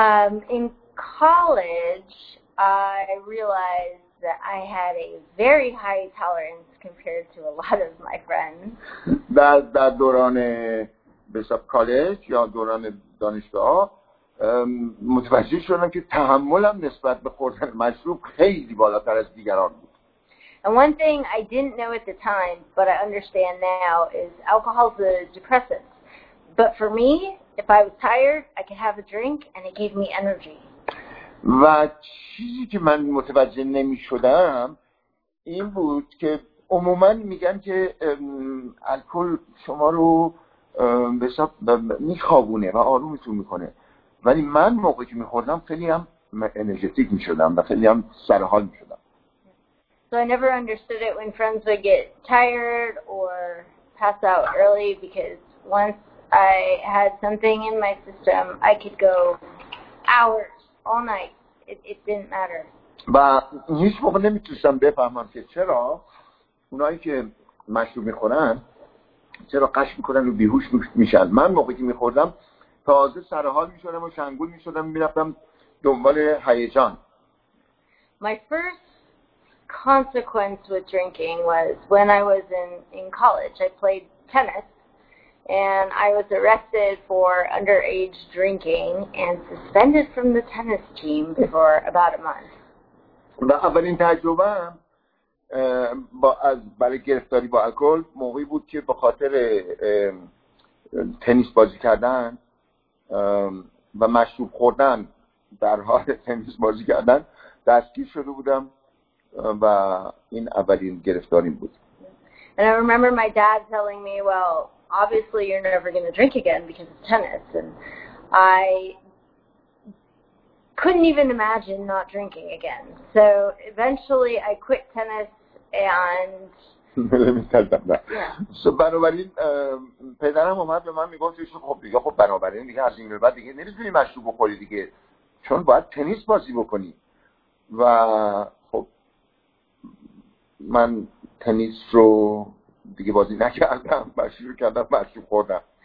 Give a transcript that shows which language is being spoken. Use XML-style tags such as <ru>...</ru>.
<en>In college, I realized that I had a very high tolerance compared to a lot of my friends.</en> <fa>در دوران بسیار کالج یا دوران دانشگاه متوجه شدم که تحملم نسبت به خوردن مشروب خیلی بالاتر از دیگران بود.</fa> <en>And one thing I didn't know at the time, but I understand now, is alcohol is a depressant. But for me, if I was tired, I could have a drink and it gave me energy.</en> <fa>و چیزی که من متوجه نمی شدم این بود که عموما میگن که الکل شما رو به حساب میخوابونه و آرومتون میکنه، ولی من موقعی که میخوردم خیلی هم انرژتیک میشدم و خیلی هم سرحال میشدم.</fa> <en>So I never understood it when friends would get tired or pass out early, because once I had something in my system, I could go hours, all night. It didn't matter.</en> <fa>و هیچ موقع نمیتونستم بفهمم که چرا اونایی که مشروب میخورن چرا قش میکنن و بیهوش میشن. من موقعی که میخوردم تازه سرحال میشدم و شنگول میشدم و میرفتم دنبال هیجان.</fa> <en>My first consequence with drinking was when I was in college. I played tennis and I was arrested for underage drinking and suspended from the tennis team for about a month.</en> <fa>و اولین تجربه با از برای گرفتاری با الکل موقعی بود که به خاطر تنیس بازی کردن و مشروب خوردن در حال تنیس بازی کردن دستگیر شده بودم و این اولین گرفتاری بود.</fa> <en>And I remember my dad telling me, well, obviously you're never going to drink again because of tennis. And I couldn't even imagine not drinking again. So eventually I quit tennis and... So</en> <fa>بنابراین پدرم اومد به من میگفت خب دیگه خب بنابراین دیگه از این به بعد دیگه نمیتونی مشروب بخوری دیگه، چون باید تنیس بازی بکنی. و خب من تنیس رو دیگه بازی نکردم، مشروب کردم، مشروب خوردم.</fa>